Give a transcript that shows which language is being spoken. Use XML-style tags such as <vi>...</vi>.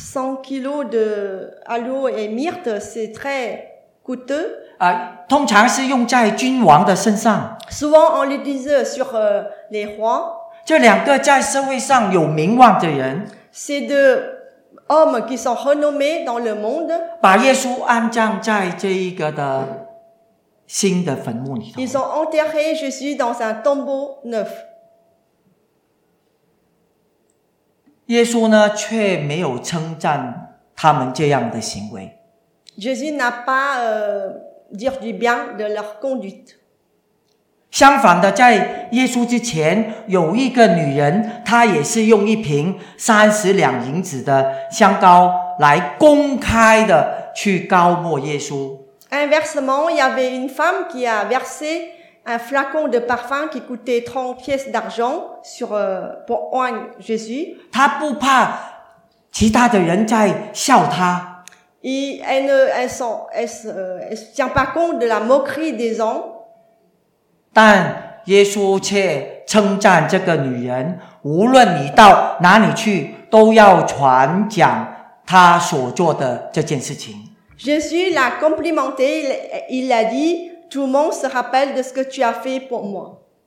<fr>100 kg de aloe et myrte, c'est très coûteux.</fr> <zh>通常是用在君王的身上。</zh> <fr>Souvent on les disait sur les rois.</fr> <zh>这两个在社会上有名望的人。</zh> <fr>C'est deux hommes qui sont renommés dans le monde.</fr> <zh>把耶稣安葬在这一个的新的坟墓里头。</zh> <fr>Ils ont enterré Jésus dans un tombeau neuf.</fr> <zh>耶稣呢却没有称赞他们这样的行为。</zh> <fr>Jésus n'a pas dire du bien de leur conduite.</fr> <zh>相反的，在耶稣之前有一个女人，她也是用一瓶32银子的香膏来公开的去膏抹耶稣。</zh> <fr>Inversement, il y avait une femme qui a versé un flacon de parfum qui coûtait 30 pièces d'argent pour oindre Jésus.</fr> <zh>她不怕其他的人在笑她。</zh> <fr>Elle ne tient pas compte de la moquerie des gens.</fr> <zh>但耶稣却称赞这个女人，无论你到哪里去，都要传讲她所做的这件事情。</zh> <fr>Jésus l'a complimenté, il a dit, tout le monde se rappelle de ce que tu as fait pour moi.</fr>